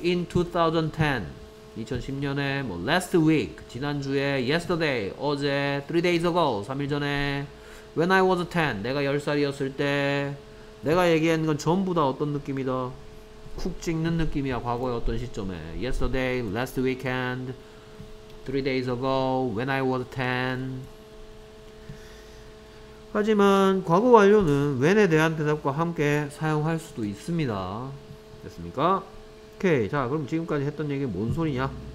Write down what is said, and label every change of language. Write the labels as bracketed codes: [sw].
[en] In 2010, [ko] 2010년에, 뭐 [en] last week, [ko] 지난주에, yesterday, 어제, [en] 3 days ago, [ko] 3일 전에, [en] when I was 10, [ko] 내가 10살이었을 때, 내가 얘기한 건 전부 다 어떤 느낌이다? 쿡 찍는 느낌이야, 과거의 어떤 시점에. [en] Yesterday, last weekend, 3 days ago, when I was 10. [ko] 하지만 과거 완료는 when에 대한 대답과 함께 사용할 수도 있습니다. 됐습니까? 오케이. 자, 그럼 지금까지 했던 얘기 뭔 소리냐?